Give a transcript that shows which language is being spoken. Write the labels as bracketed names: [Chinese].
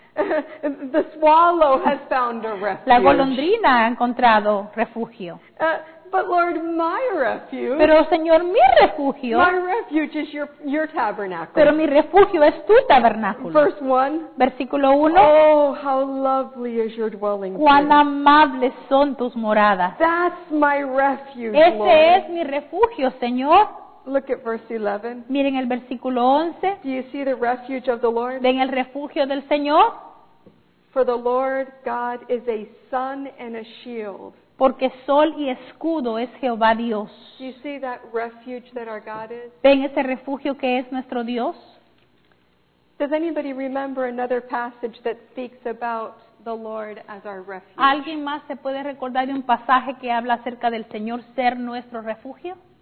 [English] The swallow has found a refuge. [Spanish] La golondrina ha encontrado refugio. [English] But Lord, my refuge. [Spanish] Pero Señor, mi refugio. [English] My refuge is your tabernacle. [Spanish] Pero mi refugio es tu tabernáculo. [English] Verse 1. [Spanish] Versículo 1. [English] Oh, how lovely is your dwelling place. [Spanish] Cuán amables son tus moradas. [English] That's my refuge, [Spanish] ese [English] Lord. [Spanish] Es mi refugio, Señor. [English] Look at verse 11. [Spanish] Miren el versículo 11. [English] Do you see the refuge of the Lord? [Spanish] ¿Ven el refugio del Señor? [English] For the Lord God is a sun and a shield. [Spanish] Porque sol y escudo es Jehová Dios. [English] You see that refuge that our God is? [Spanish] ¿Ven ese refugio que es nuestro Dios? [English] Does anybody remember another passage that speaks about the Lord as our refuge? [Spanish] ¿Alguien más se puede recordar de un pasaje que habla acerca del Señor ser nuestro refugio?